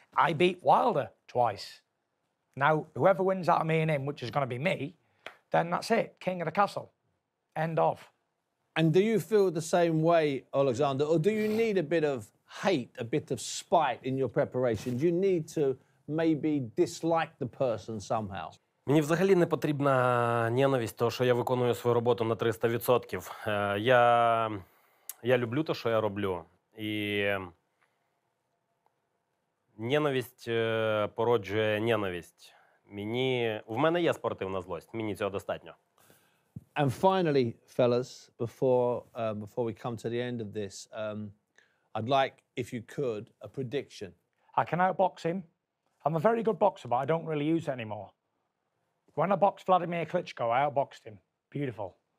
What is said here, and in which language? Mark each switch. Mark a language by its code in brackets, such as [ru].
[en] I beat Wilder twice. Now, whoever wins out of me and him, which is going to be me, then that's it. King of the castle. End of. And do you feel the same way, Oleksandr, or do you need a bit of hate, a bit of spite in your preparation? Do you need to maybe dislike the person somehow? [uk] Мені взагалі не потрібна ненависть, то, що я виконую свою роботу на 300%. Я люблю те, що я роблю. І ненависть породжує ненависть. В мене є спортивна злость, мені цього достатньо. [en] And finally, fellas, before we come to the end of this, I'd like, if you could, a prediction. I can outbox him. I'm a very good boxer, but I don't really use it anymore. When I boxed Vladimir Klitschko, I outboxed him. Beautiful.